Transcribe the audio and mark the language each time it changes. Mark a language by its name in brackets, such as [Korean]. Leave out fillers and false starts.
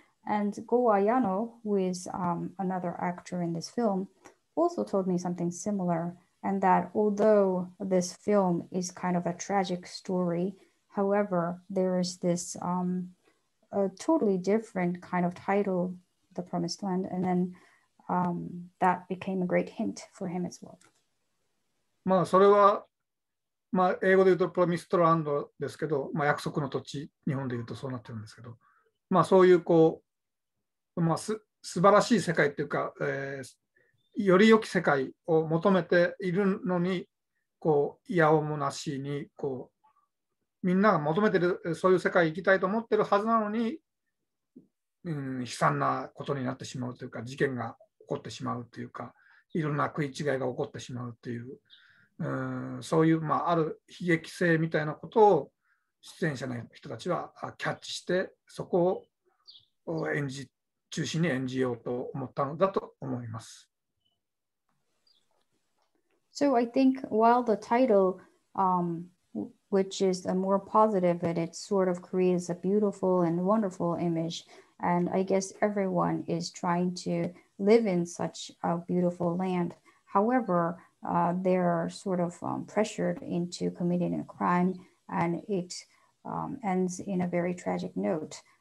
[English] And Go Ayano, who is another actor in this film, also told me something similar, and that although this film is kind of a tragic story, however, there is this a totally different kind of title, The Promised Land, and then that became a great hint for him as well. [Japanese] まあそれは、まあ、英語で言うと Promised Land ですけど、まあ、約束の土地、日本で言うとそうなってるんですけど、まあそういうこう、まあ、素晴らしい世界というか、より良き世界を求めているのに、こう、いやおもなしに、こう、みんなが求めている、そういう世界に行きたいと思っているはずなのに、うん、悲惨なことになってしまうというか、事件が起こってしまうというか、いろんな食い違いが起こってしまうという、うん、そういう、まあ、ある悲劇性みたいなことを、出演者の人たちはキャッチして、そこを演じて、中心に演じようと思ったのだと思います。 [English] So I think while the title, which is a more positive, and it sort of creates a beautiful and wonderful image, and I guess everyone is trying to live in such a beautiful land. However, they're sort of pressured into committing a crime, and it ends in a very tragic note.